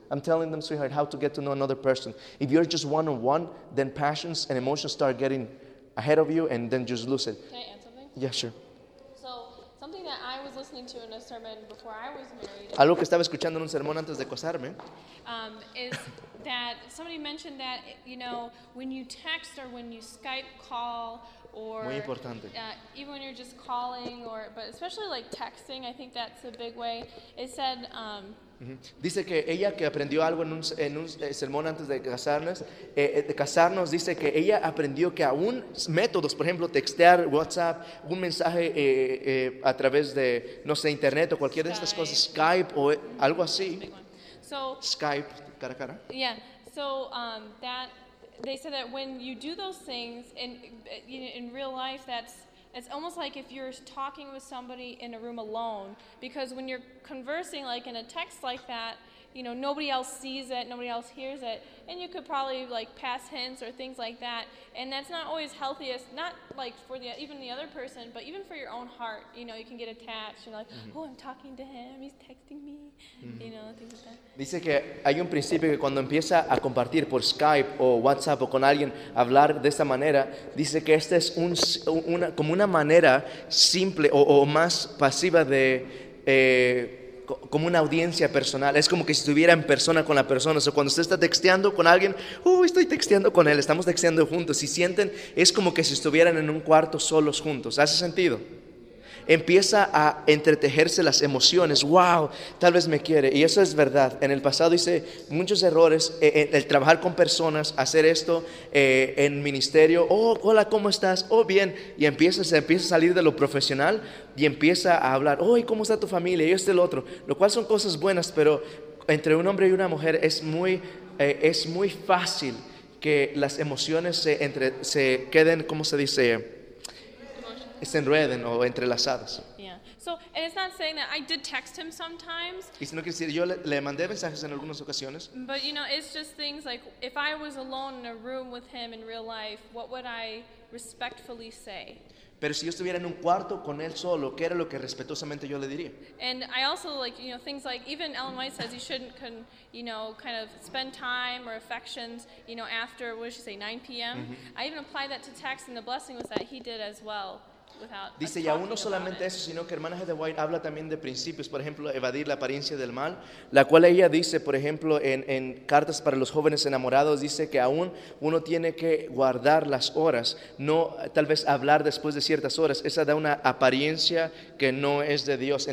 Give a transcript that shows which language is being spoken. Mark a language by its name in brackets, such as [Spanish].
[English] I'm telling them, sweetheart, how to get to know another person. If you're just one-on-one, then passions and emotions start getting ahead of you, and then just lose it. Can I add something? Yeah, sure. So, something that I was listening to in a sermon before I was married. [Spanish] Algo que estaba escuchando en un sermón antes de casarme. [English] Is that somebody mentioned that, you know, when you text or when you Skype call or... [Spanish] Muy importante. [English] Even when you're just calling or... But especially like texting, I think that's a big way. It said... [Spanish] Dice que ella que aprendió algo en un sermón antes de casarnos, dice que ella aprendió que aún métodos, por ejemplo, textear, WhatsApp, un mensaje a través de, no sé, internet o cualquiera Skype. De estas cosas, Skype o algo así, [English] so, [Spanish] Skype, cara a cara. [English] Yeah, so that, they said that when you do those things in real life, that's... It's almost like if you're talking with somebody in a room alone, because when you're conversing like in a text like that, you know, nobody else sees it, nobody else hears it, and you could probably like pass hints or things like that, and that's not always healthiest, not like for even the other person, but even for your own heart, you know, you can get attached, you're like, mm-hmm. Oh, I'm talking to him, he's texting me, mm-hmm. You know, things like that. [Spanish] Dice que hay un principio que cuando empieza a compartir por Skype o WhatsApp o con alguien, hablar de esta manera, dice que esta es una manera simple o más pasiva de... como una audiencia personal, es como que si estuviera en persona con la persona, o sea, cuando usted está texteando con alguien, estoy texteando con él, estamos texteando juntos, y sienten, es como que si estuvieran en un cuarto solos juntos, ¿hace sentido? Empieza a entretejerse las emociones, wow, tal vez me quiere, y eso es verdad, en el pasado hice muchos errores, el trabajar con personas, hacer esto en ministerio, hola, ¿cómo estás? Bien, y empieza a salir de lo profesional, y empieza a hablar, ¿cómo está tu familia? Y este el otro, lo cual son cosas buenas, pero entre un hombre y una mujer es muy fácil que las emociones se queden, ¿cómo se dice?, se enreden o entrelazadas. [English] Yeah. So, and it's not saying that I did text him sometimes. [Spanish] Y si no quiere decir, yo le mandé mensajes en algunas ocasiones. [English] But, you know, it's just things like, if I was alone in a room with him in real life, what would I respectfully say? [Spanish] Pero si yo estuviera en un cuarto con él solo, ¿qué era lo que respetuosamente yo le diría? [English] And I also like, you know, things like, even Ellen White says you shouldn't, you know, kind of spend time or affections, you know, after, what did she say, 9 p.m.? Mm-hmm. I even apply that to text, and the blessing was that he did as well. [Spanish] Dice, y aún no solamente eso, sino que hermana Heather White habla también de principios, por ejemplo, evadir la apariencia del mal, la cual ella dice, por ejemplo, en cartas para los jóvenes enamorados, dice que aún uno tiene que guardar las horas, no tal vez hablar después de ciertas horas, esa da una apariencia que no es de Dios.